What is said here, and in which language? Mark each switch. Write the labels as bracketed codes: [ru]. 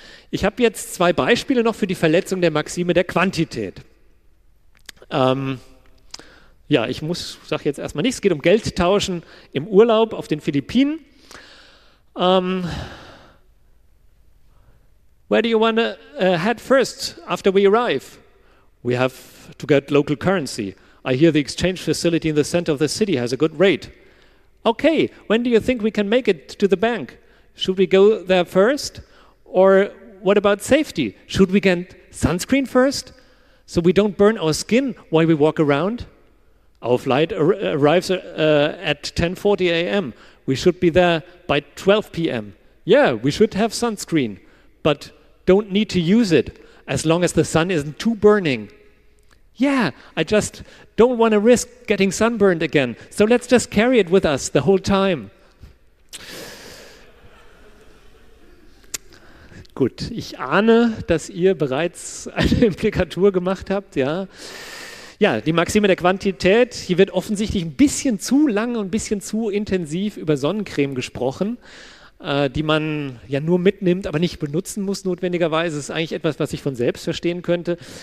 [de] Ich habe jetzt zwei Beispiele noch für die Verletzung der Maxime der Quantität. Ja, ich muss, sag jetzt erstmal nichts, es geht um Geldtauschen im Urlaub auf den Philippinen. [en] Where do you want to head first after we arrive? We have to get local currency. I hear the exchange facility in the center of the city has a good rate. Okay, when do you think we can make it to the bank? Should we go there first? Or what about safety? Should we get sunscreen first so we don't burn our skin while we walk around? Our flight arrives at 10:40 a.m. We should be there by 12 p.m. Yeah, we should have sunscreen, but don't need to use it as long as the sun isn't too burning. Yeah, I just don't want to risk getting sunburned again, so let's just carry it with us the whole time. [de] Gut, ich ahne, dass ihr bereits eine Implikatur gemacht habt, ja. Ja, die Maxime der Quantität, hier wird offensichtlich ein bisschen zu lang und ein bisschen zu intensiv über Sonnencreme gesprochen, die man ja nur mitnimmt, aber nicht benutzen muss notwendigerweise. Das ist eigentlich etwas, was ich von selbst verstehen könnte.